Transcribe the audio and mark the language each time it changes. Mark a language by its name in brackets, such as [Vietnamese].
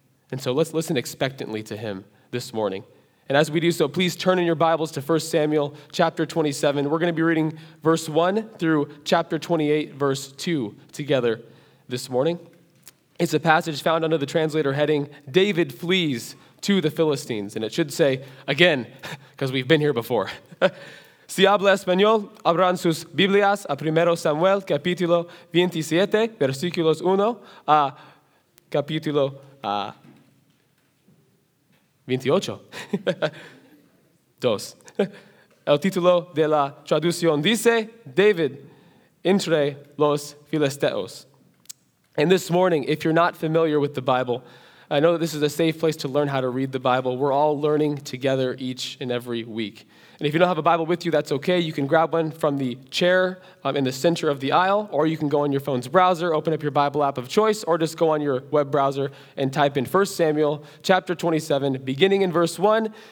[English] And so let's listen expectantly to him this morning. And as we do so, please turn in your Bibles to 1 Samuel chapter 27. We're going to be reading verse 1 through chapter 28, verse 2 together this morning. It's a passage found under the translator heading, David flees to the Philistines. And it should say, again, because we've been here before. [Spanish] Si habla español, abran sus Biblias a 1 Samuel capítulo 27, versículos 1 a capítulo 28. Dos. El título de la traducción dice, David entre los Filisteos. [English] And this morning, if you're not familiar with the Bible, I know that this is a safe place to learn how to read the Bible. We're all learning together each and every week. And if you don't have a Bible with you, that's okay. You can grab one from the chair in the center of the aisle, or you can go on your phone's browser, open up your Bible app of choice, or just go on your web browser and type in 1 Samuel chapter 27, beginning in verse 1.